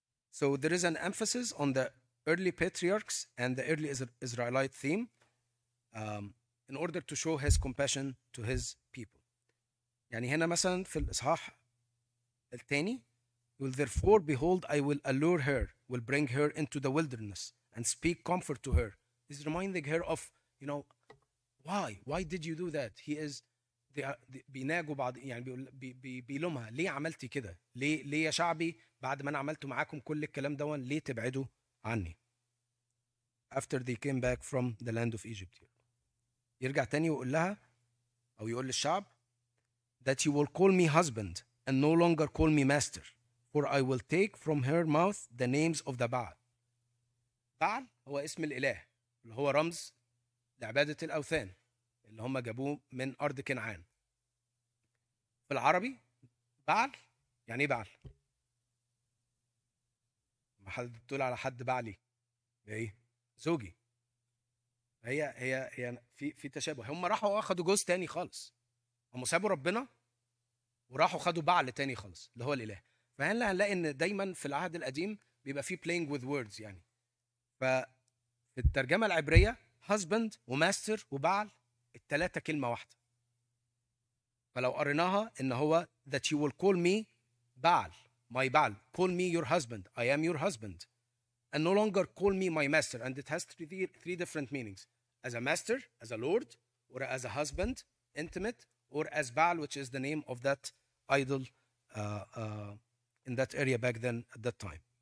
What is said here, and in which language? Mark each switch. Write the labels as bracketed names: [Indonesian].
[English] So there is an emphasis on the early patriarchs and the early Israelite theme in order to show his compassion to his people. [Arabic] يعني هنا مثلا في الإصحاح الثاني, [English] will therefore behold, I will allure her, will bring her into the wilderness and speak comfort to her. He's reminding her of, you know, why? Why did you do that? He is, [Arabic] بيناجوا بعض, يعني بيلومها, ليه عملتي كده؟ ليه يا شعبي بعد ما أنا عملت معاكم كل الكلام دوان, ليه تبعدوا عني? [English] After they came back from the land of Egypt. [Arabic] يرجع تاني ويقول لها, أو يقول للشعب, [English] that you will call me husband and no longer call me master, for I will take from her mouth the names of the Baal. [Arabic] بعل هو اسم الإله اللي هو رمز لعبادة الأوثان اللي هم جابوه من أرض كنعان. بالعربي بعل يعني بعل. ما حد تقول على حد بعلي. إيه زوجي. هي في تشابه. هم راحوا أخدوا جوز تاني خالص. هم سابوا ربنا وراحوا خدوا بعل تاني خالص اللي هو الإله. فهنا هنلاقي إن دايما في العهد القديم بيبقى فيه [English] playing with words [Arabic] يعني. في الترجمة العبرية husband وmaster وبعل التلاتة كلمة واحدة. فلو قريناها إن هو [English] that you will call me بعل my بعل call me your husband I am your husband and no longer call me my master and it has three different meanings as a master as a lord or as a husband intimate or as بعل which is the name of that idol in that area back then at that time.